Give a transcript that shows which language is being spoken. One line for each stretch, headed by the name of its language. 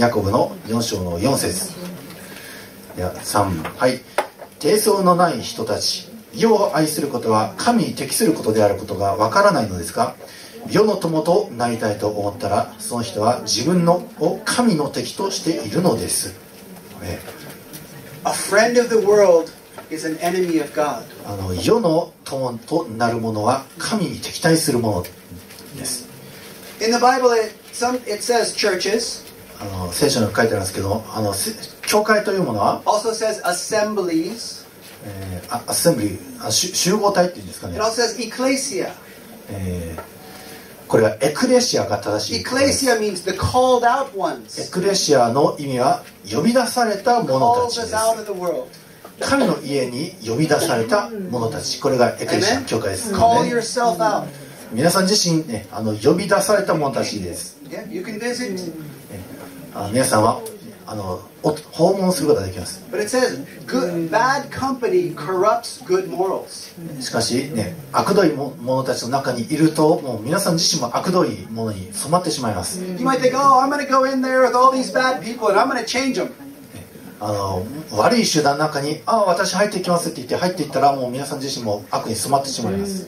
Japanese: ヤコブの4章の4節、いや3、はい、貞操のない人たち、世を愛することは神に適することであることがわからないのですか。世の友となりたいと思ったら、その人は自分のを神の敵としているのです。
English: A friend of the world is an enemy of God.
Japanese: あの世の友となるものは神に敵対するものです。
English: In the Bible, it says churches.
Japanese: あの聖書に書いてあるんですけど、あの教会というものは
English: also says assemblies.
Japanese: アセンブリー、集合体っていうんですかね。
English: It also says ecclesia.
Japanese: これはエクレシアが正しい。
English: エクレシア means the called out ones.
Japanese: エクレシアの意味は呼び出された者たちです。神の家に呼び出された者たち、これがエクレシア教会です、ね。
English: Call yourself out.
Japanese: 皆さん自身、ね、あの呼び出された者たちです。
English: Yeah, you can visit.
Japanese: あの皆さんはあの訪問することができます。
English: But it says, good, bad company corrupts good morals.
Japanese: しかし、ね、悪どい者たちの中にいるともう皆さん自身も悪どいものに染まってしまいます。
English: You might think, oh, I'm going to go in there with all these bad people and I'm going to change them.
Japanese: あの悪い集団の中に、ああ、私入っていきますって言って入っていったらもう皆さん自身も悪に染まってしまいます。